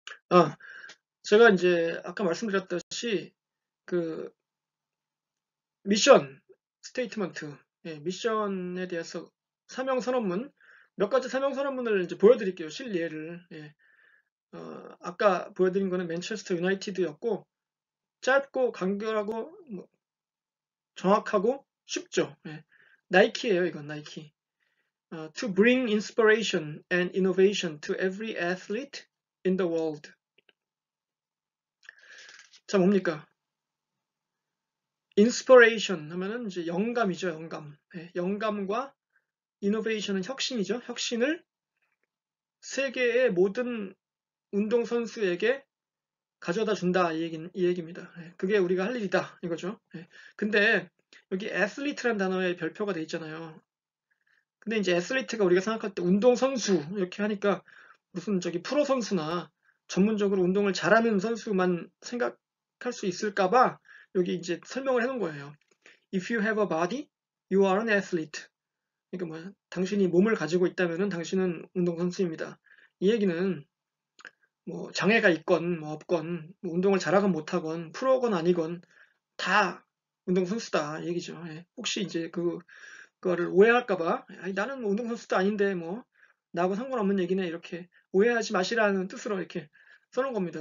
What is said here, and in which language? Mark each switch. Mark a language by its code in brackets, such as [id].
[ko] 아, 제가 이제 아까 말씀드렸듯이, 그, 미션, 스테이트먼트, 예, 미션에 대해서 사명선언문, 몇 가지 사명선언문을 이제 보여드릴게요, 실례를. 예. 아까 보여드린 거는 맨체스터 유나이티드였고, 짧고 간결하고 뭐 정확하고 쉽죠. 네. 나이키예요, 이건 나이키. [en] To bring inspiration and innovation to every athlete in the world. [ko] 자, 뭡니까? Inspiration 하면은 이제 영감이죠, 영감. 네. 영감과 innovation은 혁신이죠. 혁신을 세계의 모든 운동선수에게 가져다 준다, 이 얘기입니다. 그게 우리가 할 일이다, 이거죠. 근데 여기 애슬리트란 단어에 별표가 돼 있잖아요. 근데 이제 애슬리트가 우리가 생각할 때 운동선수 이렇게 하니까 무슨 저기 프로선수나 전문적으로 운동을 잘하는 선수만 생각할 수 있을까 봐 여기 이제 설명을 해 놓은 거예요. [en] If you have a body, you are an athlete. [ko] 그러니까 뭐 당신이 몸을 가지고 있다면 당신은 운동선수입니다. 이 얘기는 뭐 장애가 있건 뭐 없건 뭐 운동을 잘하건 못하건 프로건 아니건 다 운동선수다 얘기죠. 예. 혹시 이제 그거를 오해할까봐 나는 뭐 운동선수도 아닌데 뭐 나하고 상관없는 얘기네 이렇게 오해하지 마시라는 뜻으로 이렇게 써놓은 겁니다.